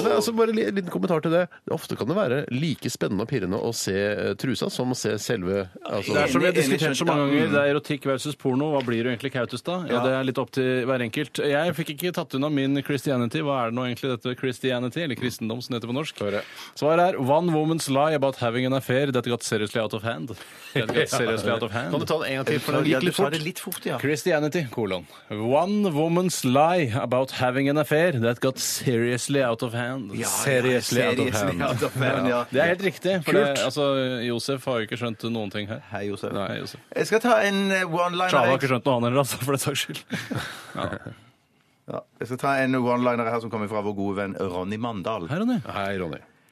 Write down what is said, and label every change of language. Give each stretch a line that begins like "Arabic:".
Norwegian: Men altså, bare en liten kommentar til det. Ofte kan det være like spennende og pirrende å se trusa som å se selve... Altså. Det er som vi har diskutert så mange ganger. Det er erotikk versus porno. Hva blir du egentlig kautus da? Ja, det er litt opp til hver enkelt. Jeg fikk ikke tatt unna min Christianity. Hva er det nå egentlig dette Christianity, eller kristendom som heter på norsk? Svaret er,
English: one woman's lie about having an affair that got seriously out of hand.
Norwegian: Kan du ta det en gang til, for det gikk litt fort. Det litt fort, ja.
English: Christianity, colon. One woman's lie about having an affair that got seriously out of hand.
Norwegian: Ja, seriously,
English: seriously out of hand.
Norwegian: Ja. Det er helt riktig, for det, altså, Josef har jo ikke skjønt noen ting her. Hei, Josef. Nei, Josef. Jeg skal ta en one-liner. Sjava har ikke skjønt noen annen, altså, for det saks skyld. Ja. Jeg skal ta en one-liner her som kommer fra vår gode venn Ronny Mandahl. Hei, Ronny. Hei, Ronny.